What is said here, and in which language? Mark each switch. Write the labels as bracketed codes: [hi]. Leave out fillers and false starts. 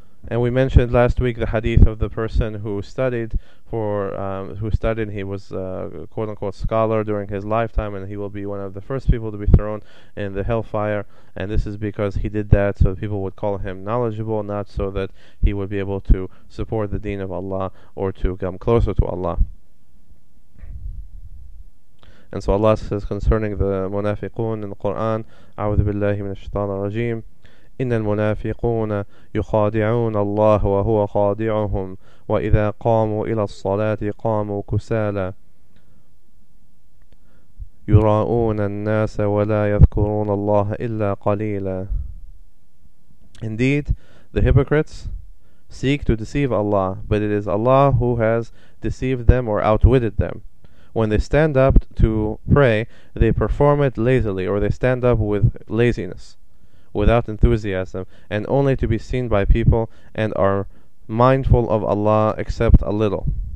[en] And we mentioned last week the hadith of the person who studied for he was a quote-unquote scholar during his lifetime, and he will be one of the first people to be thrown in the hellfire. And this is because he did that so that people would call him knowledgeable, not so that he would be able to support the deen of Allah or to come closer to Allah. And so Allah says concerning the munafiqun in the Quran, [ar] أعوذ بالله من الشيطان الرجيم إن المنافقون يخادعون الله وهو خادعهم وإذا قاموا إلى الصلاة قاموا كسالى يراؤون الناس ولا يذكرون الله إلا قليلا. [en] Indeed, the hypocrites seek to deceive Allah, but it is Allah who has deceived them or outwitted them. When they stand up to pray, they perform it lazily, or they stand up with laziness, without enthusiasm, and only to be seen by people, and are mindful of Allah except a little.